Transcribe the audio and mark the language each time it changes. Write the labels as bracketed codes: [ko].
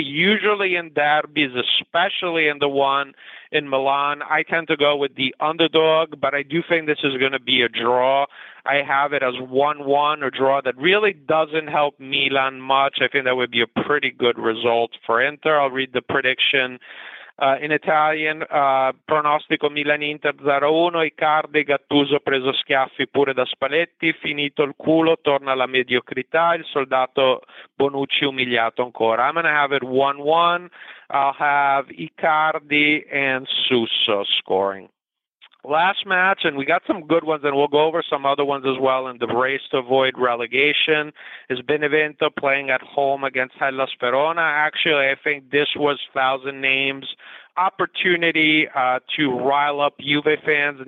[en] Usually in derbies, especially in the one in Milan, I tend to go with the underdog, but I do think this is going to be a draw. I have it as 1-1, a draw that really doesn't help Milan much. I think that would be a pretty good result for Inter. I'll read the prediction in Italian. [it] Pronostico Milan-Inter 0-1, Icardi, Gattuso preso schiaffi pure da Spalletti, finito il culo, torna alla mediocrità, il soldato Bonucci umiliato ancora. [en] I'm going to have it 1-1. I'll have Icardi and Suso scoring. Last match, and we got some good ones, and we'll go over some other ones as well in the race to avoid relegation, is Benevento playing at home against Hellas Verona. Actually, I think this was Thousand Names' opportunity to rile up Juve fans.